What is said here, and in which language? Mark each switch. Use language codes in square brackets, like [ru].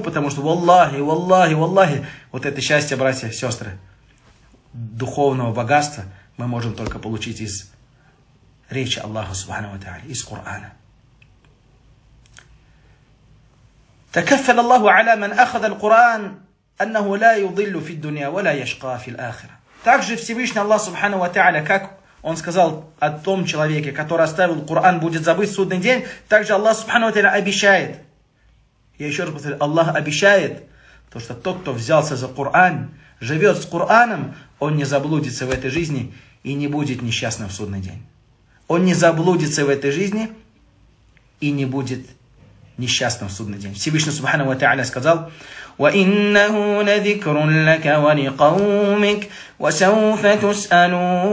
[ru] Потому что валлахи, валлахи, валлахи, вот это счастье, братья, сестры, духовного богатства мы можем только получить из речи Аллаха Субхану ва Тааля, из Корана. [ar] تكفل الله على من أخذ القرآن أنه لا يضل في الدنيا ولا يشقى في الآخرة. [ru] Также Всевышний Аллах Субхану ва Тааля, как Он сказал о том человеке, который оставил Коран, будет забыть в судный день, также Аллах Субхану ва Тааля обещает. Я еще раз повторю, Аллах обещает, то, что тот, кто взялся за Коран, живет с Кораном, он не заблудится в этой жизни и не будет несчастным в судный день. Он не заблудится в этой жизни и не будет несчастным в судный день. Всевышний Субхану ва Тааля сказал, [ar] وَإِنَّهُ لَذِكْرٌ لَكَ وَلِقَوْمِكَ وَسَوْفَ تُسْأَلُونَ.